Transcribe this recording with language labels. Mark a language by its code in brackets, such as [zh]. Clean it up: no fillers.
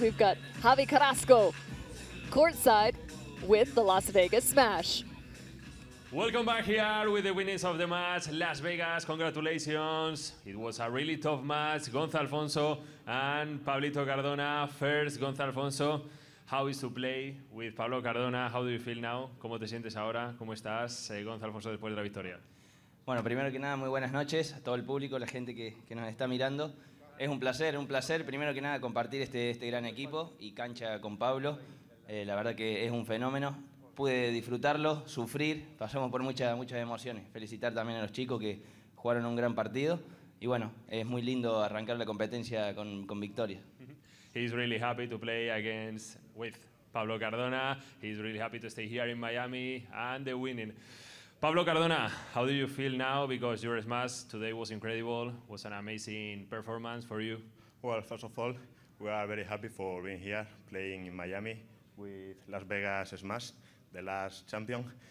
[en] We've got Javi Carrasco, courtside with the Las Vegas Smash. Welcome back here with the winners of the match. Las Vegas, congratulations. It was a really tough match. Gonzalo Alfonso and Pablito Cardona. First, Gonzalo Alfonso, how is to play with Pablo Cardona? How do you feel now? [es] ¿Cómo te sientes ahora? ¿Cómo estás, Gonzalo Alfonso, después de la victoria? Bueno, primero que nada, muy buenas noches a todo el público, la gente que nos está mirando. Es un placer, primero que nada, compartir este gran equipo y cancha con Pablo. La verdad que es un fenómeno. Pude disfrutarlo, sufrir, pasamos por muchas emociones. Felicitar también a los chicos que jugaron un gran partido. Y bueno, es muy lindo arrancar la competencia con victoria. [en] He's really happy to play against with Pablo Cardona. He's really happy to stay here in Miami and the winning. Pablo Cardona, how do you feel now? Because your smash today was incredible. It was an amazing performance for you. Well, first of all, we are very happy for being here playing in Miami with Las Vegas Smash, the last champion.